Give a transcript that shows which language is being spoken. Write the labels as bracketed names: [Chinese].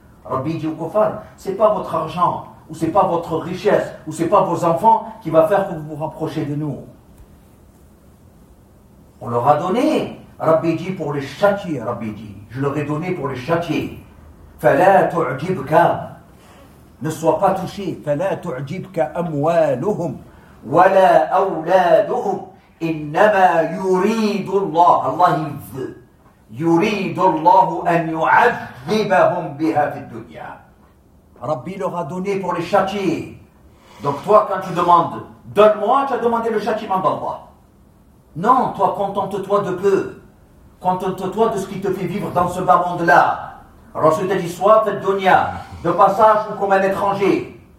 [French] Rabbi dit au kofar, c'est pas votre argent, ou c'est pas votre richesse, ou c'est pas vos enfants qui va faire que vous vous rapprochez de nous. On leur a donné, Rabbi dit, pour les châtier, Rabbi dit, je leur ai donné pour les châtier. [Arabic] فَلَا تُعْجِبْكَ, [French] ne sois pas touché. [Arabic] فَلَا تُعْجِبْكَ أَمْوَالُهُمْ وَلَا أَوْلَادُهُمْ. إِنَّمَا يُرِيدُ اللَّهُ, [French] Allah il veut, [Arabic] يُرِيدُ اللَّهُ أَنْ يُعَذِّبَهُمْ بِهَا فِي الدُّنْيَا. [French] Rabbi leur a donné pour les châtier. Donc toi quand tu demandes, donne-moi, tu as demandé le châtiment d'Allah. Non, toi contente-toi de peu. Contente-toi de ce qui te fait vivre dans ce bas monde-là. Rasul t'a dit, soit fait dunya, de passage ou comme un étranger.